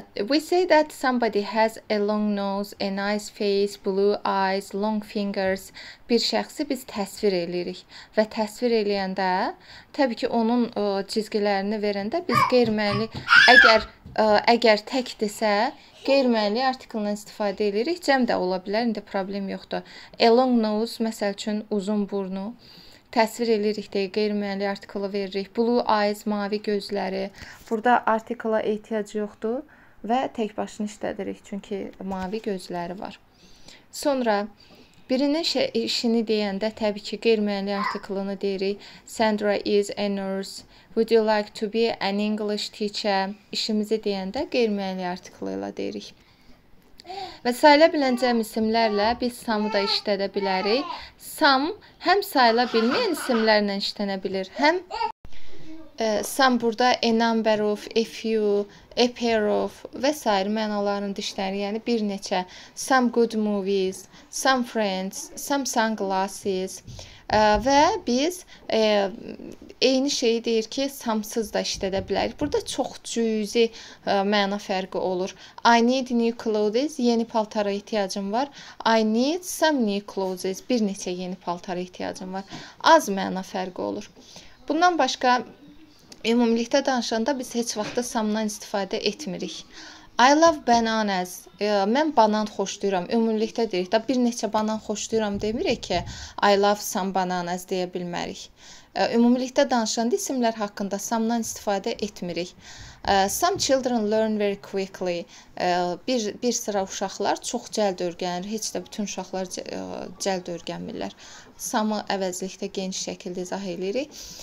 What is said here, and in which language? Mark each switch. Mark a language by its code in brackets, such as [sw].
[en] We say that somebody has a long nose, a nice face, blue eyes, long fingers. [az] Bir şəxsi biz təsvir eləyirik. Və təsvir eləyəndə, təbii ki, onun cizgilərini verəndə biz qeyri-müəyyənlik, əgər tək desə, qeyri-müəyyənlik artiklindən istifadə edirik. Cəm də ola bilər, indi problem yoxdur. [en] A long nose, [az] məsəl üçün, uzun burnu. Təsvir edirik deyə qeyri-müəyyənlik artiklı veririk. [en] Blue eyes, [az] mavi gözləri. Burada artikla ehtiyac yoxdur və tək başını işlədirik, çünki mavi gözləri var. Sonra birinin işini deyəndə təbii ki, qeyri-müəyyənlik artiklını deyirik. [en] Sandra is a nurse. Would you like to be an English teacher? [az] İşimizi deyəndə qeyri-müəyyənlik artiklı ilə deyirik. Və sayıla bilən cəm isimlərlə biz some-ı da işlədə bilərik. Some həm sayıla bilməyən isimlərlə işlənə bilir, həm some burada [en] a number of, a few, a pair of [az] və s. mənalarını dişləri, yəni bir neçə. [en] Some good movies, some friends, some sunglasses. [az] Və biz eyni şeyi deyir ki, samsız da işlədə bilərik. Burada çox cüzi məna fərqi olur. [en] I need new clothes, [az] yeni paltara ehtiyacım var. [en] I need some new clothes, [az] bir neçə yeni paltara ehtiyacım var. Az məna fərqi olur. Bundan başqa, ümumilikdə danışanda biz heç vaxtda samdan istifadə etmirik. [en] I love bananas. [az] Mən banan xoşlayıram. Ümumilikdə deyirik. Da bir neçə banan xoşlayıram demirik ki, [en] I love some bananas [az] deyə bilmərik. Ümumilikdə danışanda isimlər haqqında some-dan istifadə etmirik. [en] Some children learn very quickly. [az] Bir sıra uşaqlar çox cəld öyrənir. Heç də bütün uşaqlar cəld öyrənmirlər. Some-ı əvəzlikdə geniş şəkildə izah edirik.